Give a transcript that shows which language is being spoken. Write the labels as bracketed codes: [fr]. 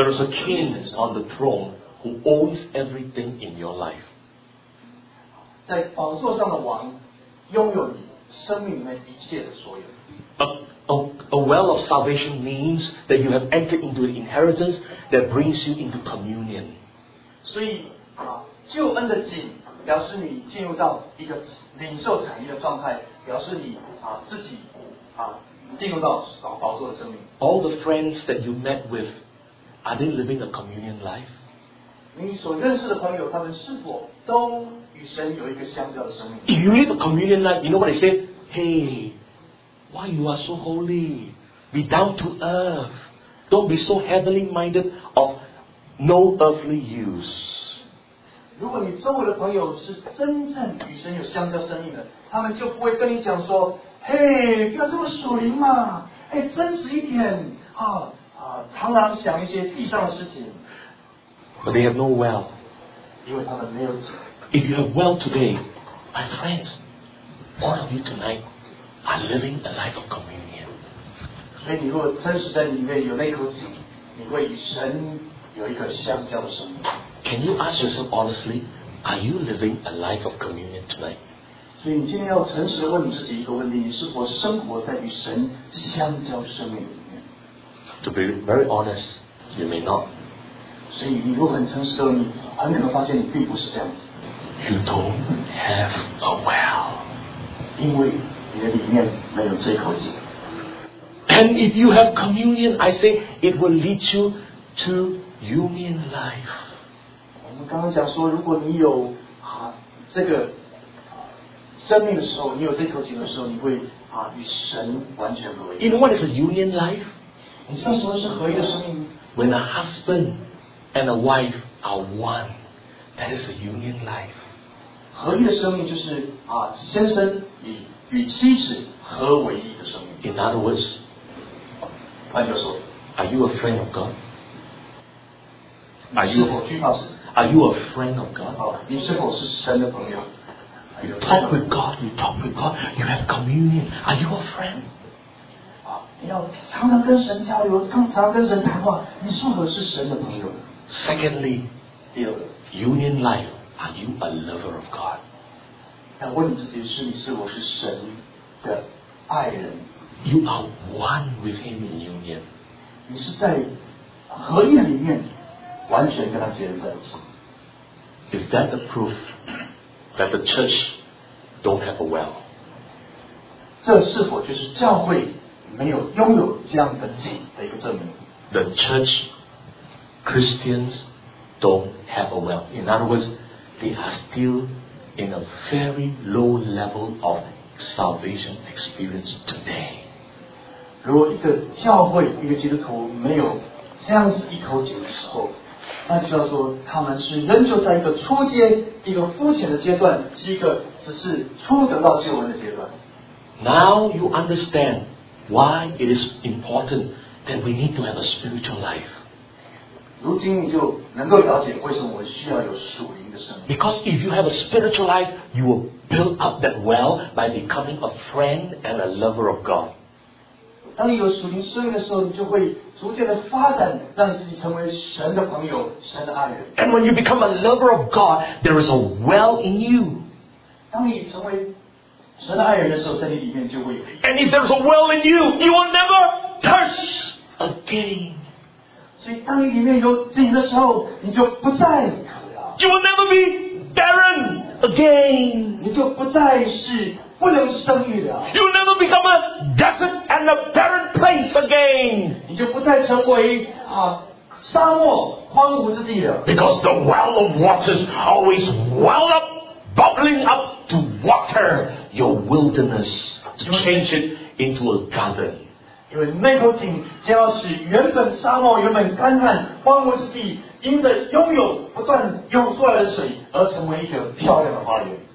[en] There is a king on the throne who owns everything in your life. [zh] 在宝座上的王拥有你生命里面一切的所有。 [en] A well of salvation means that you have entered into an inheritance that brings you into communion. [zh] 所以救恩的井表示你进入到一个领受产业的状态，表示你自己进入到宝座的生命。 [en] All the friends that you met with, are they living a communion life? [zh] 你所认识的朋友，他们是否都与神有一个相交的生命？ [en] If you live a communion life, you know what I say? Hey,Why you are so holy? Be down to earth. Don't be so heavenly minded of no earthly use. [zh] 如果你周围的朋友是真正与神有相交生命的，他们就不会跟你讲说，嘿，不要这么属灵嘛，哎，真实一点，常常想一些地上的事情。 [en] But they have no well. [zh] 因为他们没有。 [en] If you have well today, my friends, all of you tonight,are living a life of communion. [zh] 所以你如果真实在里面有那口井，你会与神有一个相交的生命。 [en] Can you ask yourself honestly, are you living a life of communion tonight? [zh] 所以你今天要诚实问你自己一个问题：你是否生活在与神相交生命里面？ [en] To be very honest, you may not. [zh] 所以你如果很诚实的问，你很可能发现你并不是这样子。 [en] You don't have a well. [zh] 因为你的里面没有这口井。 [en] And if you have communion, I say it will lead you to union life. [zh] 我们刚刚讲说，如果你有这个生命的时候，你有这口井的时候，你会与神完全合一。 [en] You know what is a union life? [zh] 你知道什么是合一的生命吗？ [en] When a husband and a wife are one, that is a union life. [zh] 合一的生命就是先生与与妻子合为一的生命。 [en] In other words, [zh] 换句话说， [en] Are you a friend of God? Are you? [zh] 是否惧怕神？ [en] Are you a friend of God? [zh] 你是否是神的朋友？ [en] You talk with God. You talk with God. You have communion. Are you a friend? [zh] 你要常常跟神交流，常常跟神谈话。你是否是神的朋友？ [en] Secondly, Union life, are you a lover of God? [zh] 但问你自己是你是我是神的爱人。 [en] You are one with Him in union. [zh] 你是在合一里面完全跟他结合在一起。 [en] Is that the proof that the church don't have a well? [zh] 这是否就是教会没有拥有这样的井的一个证明？ [en] The church Christians don't have a well. In other words, they are still in a very low level of salvation experience today. [zh] 如果一个教会一个基督徒没有这样子一口井的时候，那就要说他们是仍旧在一个初阶一个肤浅的阶段，是一个只是初得到救恩的阶段。 [en] Now you understand why it is important that we need to have a spiritual life. [zh] 如今你就能够了解为什么我需要有属灵的生命。 [en] Because if you have a spiritual life, you will build up that well by becoming a friend and a lover of God. [zh] 当你有属灵生命的时候，你就会逐渐的发展，让自己成为神的朋友，神的爱人。 [en] And when you become a lover of God, there is a well in you. [zh] 当你成为神的爱人的时候，在你里面就会有。 [en] And if there's a well in you, you will never thirst again. [zh] 所以当你里面有井的时候，你就不再渴了。 [en] You will never be barren again. [zh] 你就不再是不能生育了。 [en] You will never become a desert and a barren place again. [zh] 你就不再成为啊沙漠荒芜之地了。 [en] Because the well of waters always well up, bubbling up to water your wilderness, to change it into a garden. [zh] 因为那口井将要使原本沙漠原本干旱荒芜之地因着拥有不断涌出来的水而成为一个漂亮的花园。